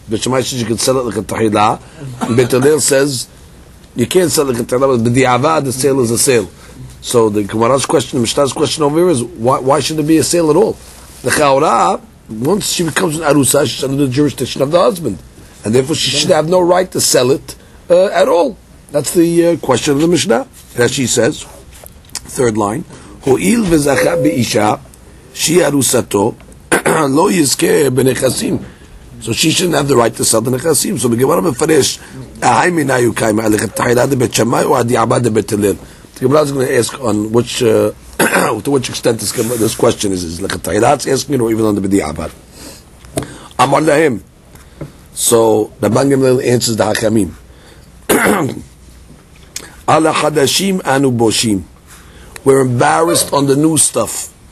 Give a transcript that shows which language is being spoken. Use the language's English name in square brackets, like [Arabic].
[English] Bet Shammai says you can sell it like a tahila. Bet Hillel says you can't sell it like a tahila, but b'di'avad, the sale is a sale. So the Gemara's question, the Mishnah's question over here is, why should there be a sale at all? The Chaura, once she becomes an arusa, she's under the jurisdiction of the husband. And therefore she should have no right to sell it at all. That's the question of the Mishnah. That she says, third line, [Hebrew] הואיל וזכה באישה שהיא ארוסתו לא יזכה בנכסים. [English] So she shouldn't have the right to sell the נכסים. [Hebrew] So בגמרא מפרש, אהי מנה יוקיימה, הלכת תחילה דבית שמאי או הדיעבד דבית הלל. [English] The Gemara is going to ask on which, to which extent this question is. לכת תחילה, it's asking it or even on the בדיעבד. [Hebrew] אמר להם. [English] So רבן גמליאל answers the חכמים. [Hebrew] על החדשים אנו בושים. [English] We're embarrassed on the new stuff.